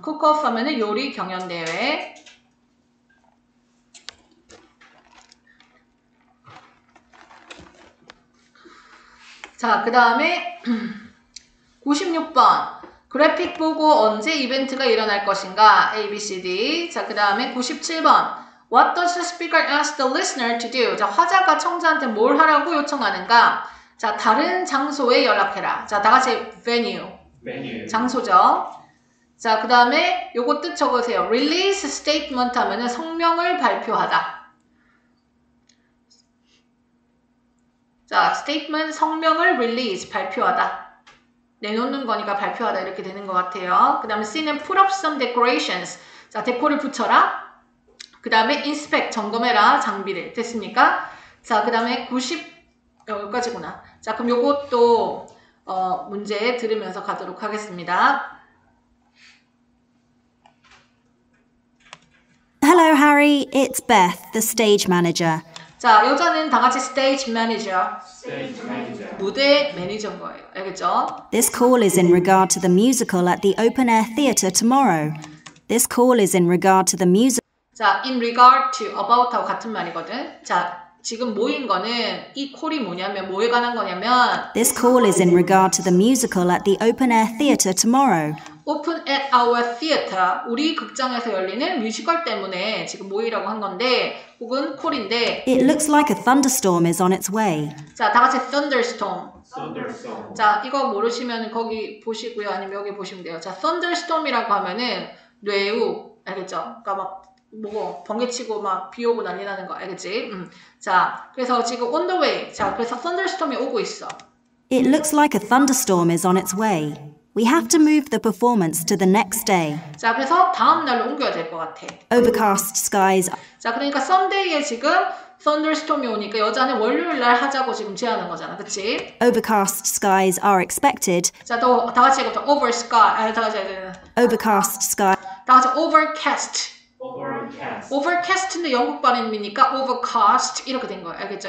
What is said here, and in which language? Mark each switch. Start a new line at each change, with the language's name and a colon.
Korean: 쿡오프 하면은 요리 경연대회. 자, 그 다음에 96번. 그래픽 보고 언제 이벤트가 일어날 것인가? A, B, C, D. 자, 그 다음에 97번.
English: What does the speaker ask the listener to do?
Korean: 자, 화자가 청자한테 뭘 하라고 요청하는가? 자, 다른 장소에 연락해라. 자, 다 같이 venue. 장소죠. 자, 그 다음에 요거 뜻 적으세요. Release statement 하면은 성명을 발표하다. 자, statement 성명을 release 발표하다. 내놓는 거니까 발표하다 이렇게 되는 것 같아요. 그 다음에 C는
English: put up some decorations.
Korean: 자, 데코를 붙여라. 그 다음에 inspect, 점검해라, 장비를. 됐습니까? 자, 그 다음에 90, 여기까지구나. 자, 그럼 요것도, 문제 들으면서 가도록 하겠습니다.
English: Hello, Harry. It's Beth, the stage manager.
Korean: 자, 여자는 다 같이 stage manager.
English: Stage manager.
Korean: 무대 매니저인 거예요. 알겠죠?
English: This call is in regard to the musical at the open air theater tomorrow. This call is in regard to the musical.
Korean: 자, in regard to, about하고 같은 말이거든. 자, 지금 뭐인 거는 이 콜이 뭐냐면 뭐에 관한 거냐면
English: This call is in regard to the musical at the open air theater tomorrow. Open at our theater.
Korean: 우리 극장에서 열리는 뮤지컬 때문에 지금 모이라고 한 건데 혹은 콜인데
English: It looks like a thunderstorm is on its way.
Korean: 자, 다 같이 thunderstorm.
English: thunderstorm.
Korean: 자, 이거 모르시면 거기 보시고요. 아니면 여기 보시면 돼요. 자, thunderstorm이라고 하면은 뇌우. 알겠죠? 그러니까 막 뭐고 번개치고 막 비 오고 난리 나는 거 알겠지? 자, 그래서 지금 on the way. 자, 그래서 thunderstorm이 오고 있어.
English: It looks like a thunderstorm is on its way. We have to move the performance to the next day.
Korean: 자, 그래서 다음 날로 옮겨야 될 것 같아.
English: Overcast skies.
Korean: 자, 그러니까 Sunday에 지금 thunderstorm이 오니까 여자는 월요일 날 하자고 지금 제안한 거잖아. 그치?
English: Overcast skies are expected.
Korean: 자, 또 다 같이 이것도 over sky. 아, 다 같이 해야 되나.
English: Overcast sky.
Korean: 다 같이 overcast.
English: Overcast.
Korean: Overcast는 영국 발음이니까 overcast 이렇게 된 거예요. 알겠죠?